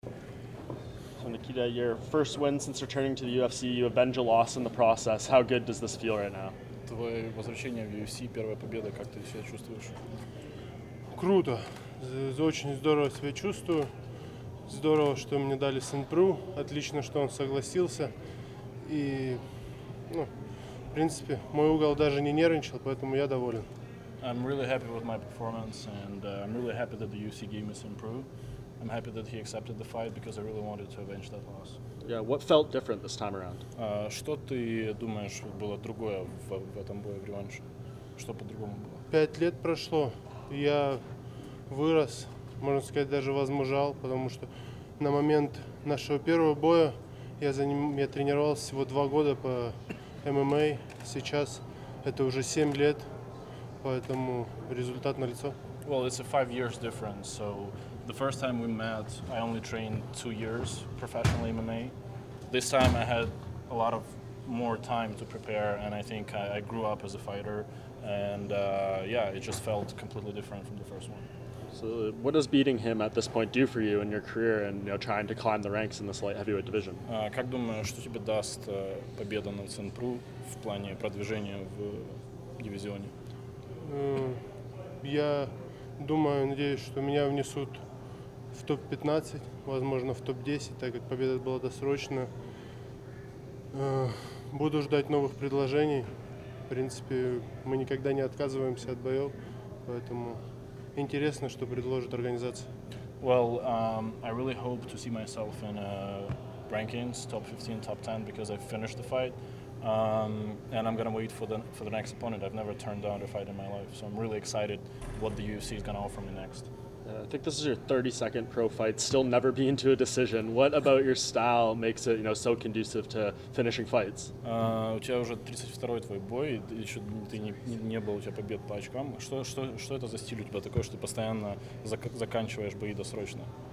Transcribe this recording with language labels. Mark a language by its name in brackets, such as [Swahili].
[English] and Nikita, your first win since returning to the UFC. You avenge a loss in the process. How good does this feel right now? [Russian] Твое возвращение в UFC, первая победа, как ты себя чувствуешь? Круто. Очень здорово себя чувствую. Здорово, что мне дали Сен-Пру. Отлично, что он согласился. И, ну, в принципе, мой угол даже не нервничал, поэтому я доволен. [English] I'm really happy with my performance, and I'm really happy that the UFC gave me Сен-Пру. I'm happy that he accepted the fight because I really wanted to avenge that loss. Yeah, what felt different this time around? [Russian] Что ты думаешь было другое в этом бою, в реванше? Что по-другому было? 5 лет прошло, я вырос, можно сказать, даже возмужал, потому что на момент нашего первого боя я тренировался всего 2 года по ММА, сейчас это уже 7 лет, поэтому результат налицо. [English] Well, it's a 5 years difference, so the first time we met, I only trained 2 years professionally MMA. This time I had a lot of more time to prepare, and I think I grew up as a fighter, and it just felt completely different from the first one. So what does beating him at this point do for you in your career and, you know, trying to climb the ranks in this light heavyweight division? [Russian] Как думаешь, что тебе даст победа на Сен-Пру в плане продвижения в дивизионе? Я думаю, надеюсь, что меня внесут в топ-15, возможно, в топ-10, так как победа была досрочна. Буду ждать новых предложений. В принципе, мы никогда не отказываемся от боев, поэтому интересно, что предложит организация. [English] Well, I really hope to see myself in rankings, top-15, top-10, because I finished the fight. And I'm gonna wait for the next opponent. I've never turned down a fight in my life, so I'm really excited what the UFC is gonna offer me next. I think this is your 32nd pro fight, still never being to a decision. What about your style makes it, you know, so conducive to finishing fights? [Russian] У тебя уже 32-й твой бой, и еще ты не был, у тебя побед по очкам. Что это за стиль у тебя такой, что ты постоянно заканчиваешь бои досрочно?